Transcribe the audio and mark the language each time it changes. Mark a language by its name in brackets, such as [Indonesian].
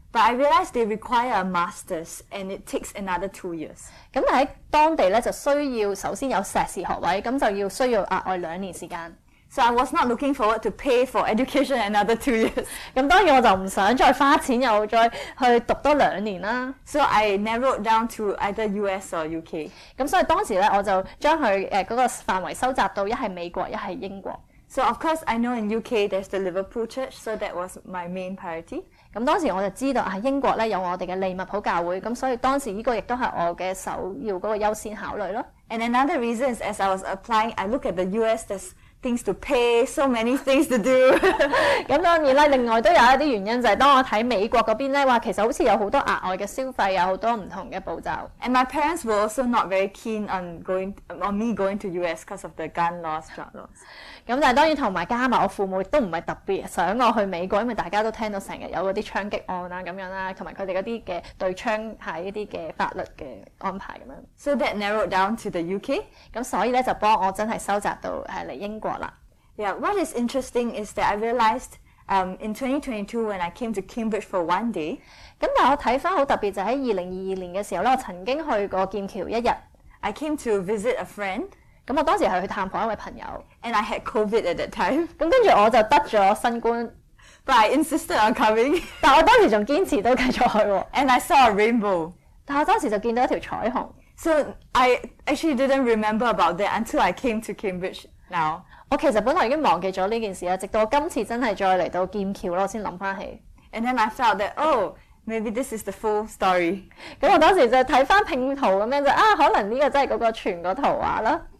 [English] But I realized they require a master's and it takes another 2 years. [Cantonese] 咁喺當地咧就需要首先有碩士學位，咁就要需要額外兩年時間。 [English] So I was not looking forward to pay for education another 2 years. [Cantonese] 咁當然我就唔想再花錢又再去讀多兩年啦。 [English] So I narrowed down to either US or UK. [Cantonese] 咁所以當時咧我就將佢嗰個範圍收集到一係美國一係英國。 [English] So of course I know in UK there's the Liverpool Church, so that was my main priority. [Cantonese] 咁當時我就知道英國咧有我哋嘅利物浦教會，咁所以當時依個亦都係我嘅首要嗰個優先考慮咯。 [English] And another reason is as I was applying, I look at the US, there's things to pay, so many things to do. [Cantonese] 咁當然啦，另外都有一啲原因就係當我睇美國嗰邊咧，話其實好似有好多額外嘅消費，有好多唔同嘅步驟。 [English] And my parents were also not very keen on me going to US because of the gun laws, drug laws. [Cantonese] 咁但係當然同埋加埋我父母都唔係特別想我去美國，因為大家都聽到成日有嗰啲槍擊案啊咁樣啦，同埋佢哋嗰啲嘅對槍械一啲嘅法律嘅安排咁樣。 [English] So that narrowed down to the UK. [Cantonese] 咁所以咧就幫我真係收集到係嚟英國啦。 [English] Yeah, what is interesting is that I realized, in 2022 when I came to Cambridge for one day. [Cantonese] 咁但係我睇翻好特別就喺2022年嘅時候咧，我曾經去過劍橋一日。 [English] I came to visit a friend. [Cantonese] 咁我當時係去探訪一位朋友 [English] ，and I had COVID at that time。 [Cantonese] 咁跟住我就得咗新冠 [English] ，but I insisted on coming。 [Cantonese] 但我當時仲堅持都繼續去喎 [English] ，and I saw a rainbow。 [Cantonese] 但我當時就見到一條彩虹 [English] ，so I actually didn't remember about that until I came to Cambridge now。 [Cantonese] 我其實本來已經忘記咗呢件事啦，直到我今次真係再嚟到劍橋咯，我先諗翻起。 [English] And then I felt that oh。 Maybe this is the full story。 [Cantonese] 咁我當時就睇翻拼圖咁樣就可能呢個真係嗰個全個圖畫啦。